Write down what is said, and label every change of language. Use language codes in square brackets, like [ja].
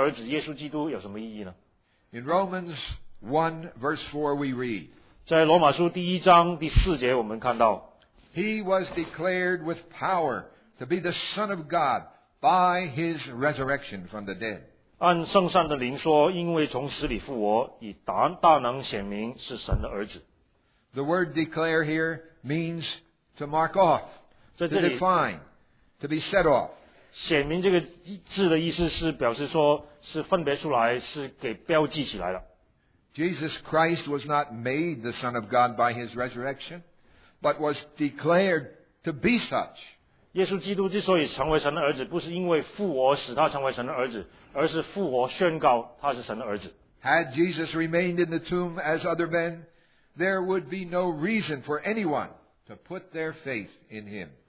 [zh] 首先，空的坟墓对神的儿子耶稣基督有什么意义呢？ [en] In Romans 1, verse 4, we read, [zh] 在罗马书第一章第四节我们看到, [en] He was declared with power to be the Son of God by His resurrection from the dead. [zh] 按圣善的灵说，因为从死里复活，以大能显明是神的儿子。 [en] The word declare here means to mark off, to define, to be set off. [zh] 显明这个字的意思是表示说是分别出来，是给标记起来了。Jesus [en] Christ was not made the Son of God by His resurrection, but was declared to be such. [zh] 耶稣基督之所以成为神的儿子，不是因为复活使他成为神的儿子，而是复活宣告他是神的儿子。 [en] Had Jesus remained in the tomb as other men, there would be no reason for anyone to put their faith in Him.